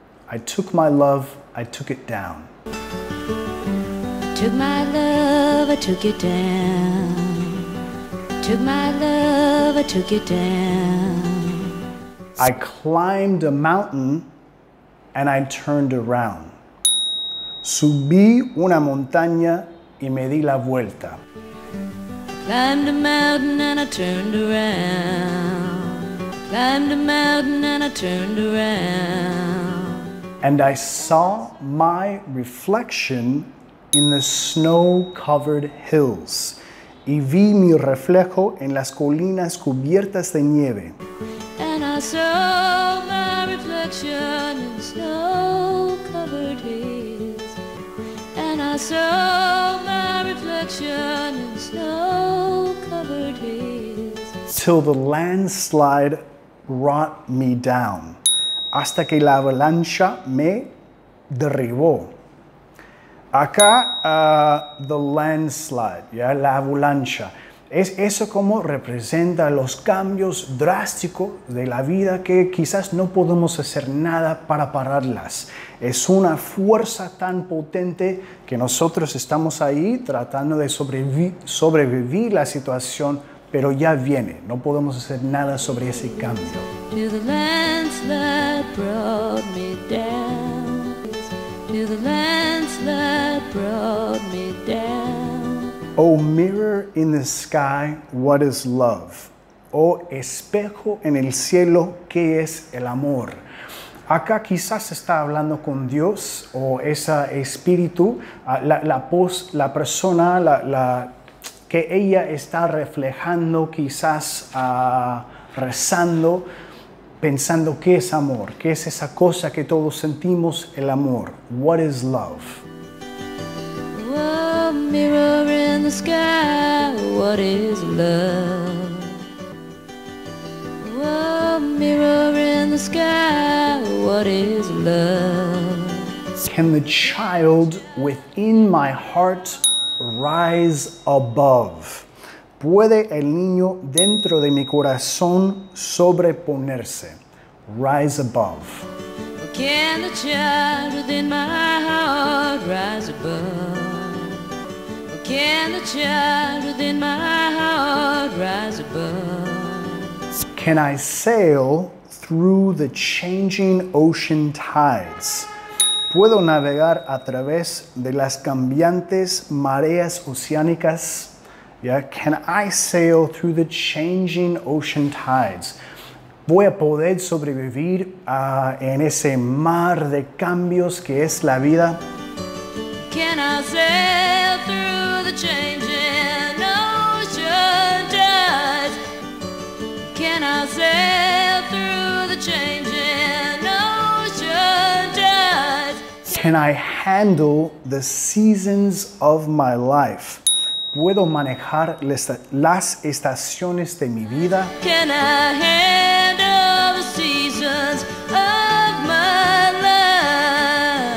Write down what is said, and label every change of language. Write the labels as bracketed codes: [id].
[en] I took my love, I took it down. Took my love, I took it down. Took my love, I took it down. I climbed a mountain and I turned around. [es] Subí una montaña y me di la vuelta. [en] Climbed a mountain and I turned around. Climbed a mountain and I turned around. And I saw my reflection in the snow-covered hills. [es] Y vi mi reflejo en las colinas cubiertas de nieve. [en] And I saw my reflection in snow-covered hills. And I saw my reflection in snow-covered hills. Till the landslide brought me down. [es] Hasta que la avalancha me derribó. Acá, [en] the landslide, [es] ¿ya? La avalancha. Es eso como representa los cambios drásticos de la vida que quizás no podemos hacer nada para pararlas. Es una fuerza tan potente que nosotros estamos ahí tratando de sobrevivir la situación, pero ya viene. No podemos hacer nada sobre ese cambio. [en] Till the landslide brought me down. Till the landslide brought me down. Oh, mirror in the sky, what is love? [es] Oh, espejo en el cielo, ¿qué es el amor? Acá quizás está hablando con Dios o ese espíritu, la persona, que ella está reflejando, quizás rezando, pensando qué es amor, qué es esa cosa que todos sentimos, el amor. [en] What is love? Oh, mirror in the sky, what is love? Oh, mirror in the sky, what is love? Can the child within my heart rise above? [es] ¿Puede el niño dentro de mi corazón sobreponerse? [en] Rise above. Can the child within my heart rise above? Can the child within my heart rise above? Can I sail through the changing ocean tides. [es] Puedo navegar a través de las cambiantes mareas oceánicas. [en] Yeah, can I sail through the changing ocean tides? [es] Voy a poder sobrevivir en ese mar de cambios que es la vida. [en] Can I sail through the changing ocean tides? Can I sail through the changing ocean tides? Can I handle the seasons of my life? [es] ¿Puedo manejar las estaciones de mi vida? [en] Can I handle the seasons of my life?